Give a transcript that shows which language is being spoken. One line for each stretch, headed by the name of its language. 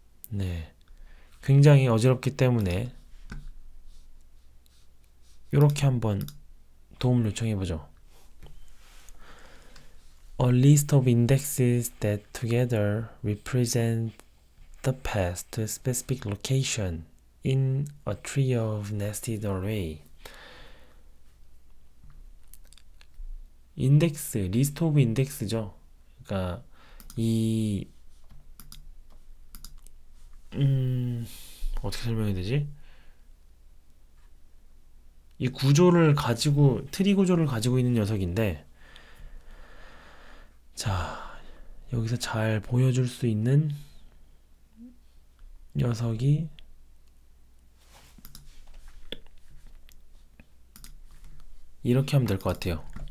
Korean: 네. 굉장히 어지럽기 때문에 요렇게 한번 도움 요청해 보죠.
English: A list of indexes that together represent the path to a specific location in a tree of nested array.
Korean: 인덱스,
English: list of index
Korean: 죠. 그러니까 이 어떻게 설명해야 되지? 이 구조를 가지고 트리 구조를 가지고 있는 녀석인데. 자, 여기서 잘 보여줄 수 있는 녀석이 이렇게 하면 될것 같아요.